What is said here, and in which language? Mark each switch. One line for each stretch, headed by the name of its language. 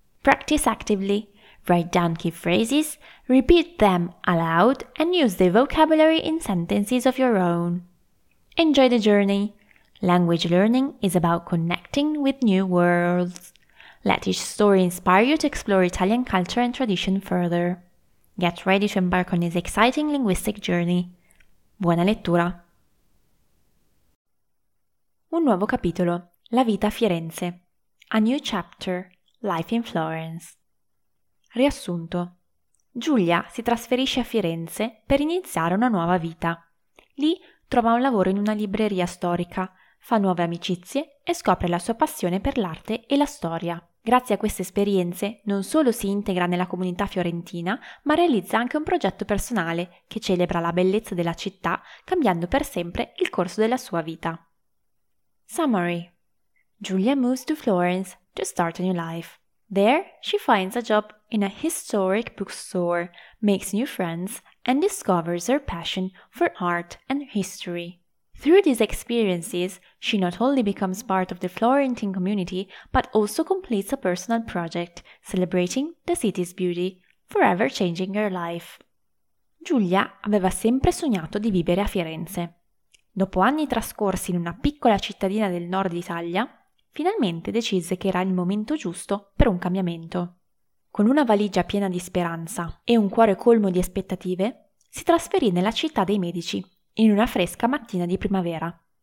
English: Practice actively. Write down key phrases, repeat them aloud, and use the vocabulary in sentences of your own. Enjoy the journey. Language learning is about connecting with new worlds. Let each story inspire you to explore Italian culture and tradition further. Get ready to embark on this exciting linguistic journey.
Italian: Buona lettura! Un nuovo capitolo, La vita a Firenze.
English: A new chapter, Life in Florence.
Italian: Riassunto. Giulia si trasferisce a Firenze per iniziare una nuova vita. Lì trova un lavoro in una libreria storica, fa nuove amicizie e scopre la sua passione per l'arte e la storia. Grazie a queste esperienze non solo si integra nella comunità fiorentina, ma realizza anche un progetto personale che celebra la bellezza della città, cambiando per sempre il corso della sua vita.
English: Summary. Giulia moves to Florence to start a new life. There, she finds a job in a historic bookstore, makes new friends, and discovers her passion for art and history. Through these experiences, she not only becomes part of the Florentine community, but also completes a personal project, celebrating the city's beauty, forever changing her life.
Italian: Giulia aveva sempre sognato di vivere a Firenze. Dopo anni trascorsi in una piccola cittadina del nord Italia, finalmente decise che era il momento giusto per un cambiamento. Con una valigia piena di speranza e un cuore colmo di aspettative, si trasferì nella città dei Medici, in una fresca mattina di primavera.